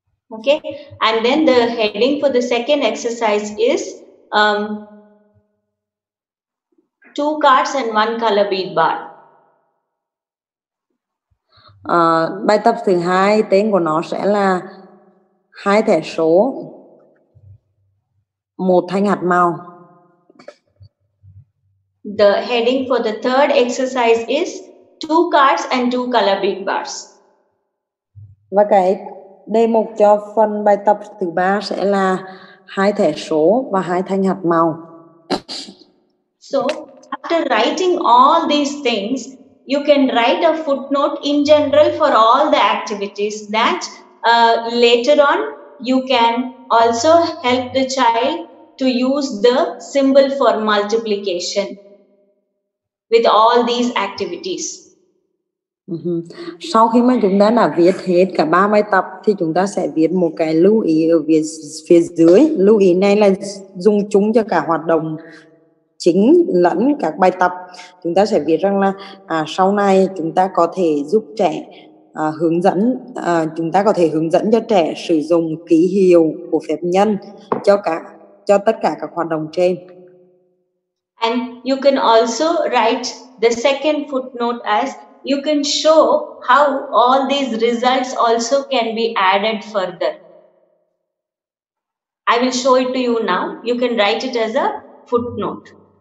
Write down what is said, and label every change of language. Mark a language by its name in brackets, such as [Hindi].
[English] Okay, and then the heading for the second exercise is two cards and one color bead bar. [Vietnamese] Bài tập thứ hai tên của nó sẽ là hai thẻ số một thanh hạt màu. [English] The heading for the third exercise is two cards and two color bead bars. [Vietnamese] Và cái đề mục cho phần bài tập thứ ba sẽ là hai thẻ số và hai thanh hạt màu. [English] So, after writing all these things, you can write a footnote in general for all the activities that later on you can also help the child to use the symbol for multiplication with all these activities. [Vietnamese] Sau khi mà chúng ta đã viết hết cả ba bài tập thì chúng ta sẽ viết một cái lưu ý ở phía dưới. Lưu ý này là dùng chúng cho cả hoạt động chính lẫn các bài tập, chúng ta sẽ viết rằng là sau này chúng ta có thể giúp trẻ hướng dẫn, chúng ta có thể hướng dẫn cho trẻ sử dụng ký hiệu của phép nhân cho tất cả các hoạt động trên. [English] And you can also write the second footnote as you can show how all these results also can be added further. I will show it to you now. You can write it as a footnote.